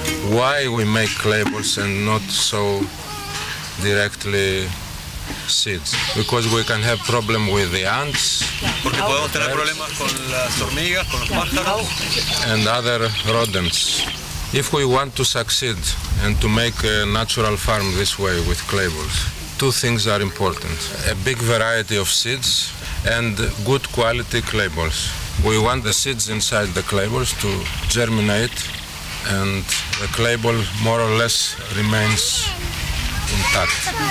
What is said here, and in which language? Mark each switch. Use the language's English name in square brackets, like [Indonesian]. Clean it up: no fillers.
[English] Why we make labels and not so directly seeds? Because we can have problem with the ants. [Spanish] Porque podemos tener problemas con las hormigas, con los pájaros. [English] And other rodents. If we want to succeed and to make a natural farm this way with labels, two things are important. A big variety of seeds and good quality labels. We want the seeds inside the labels to germinate and the clayball more or less remains intact.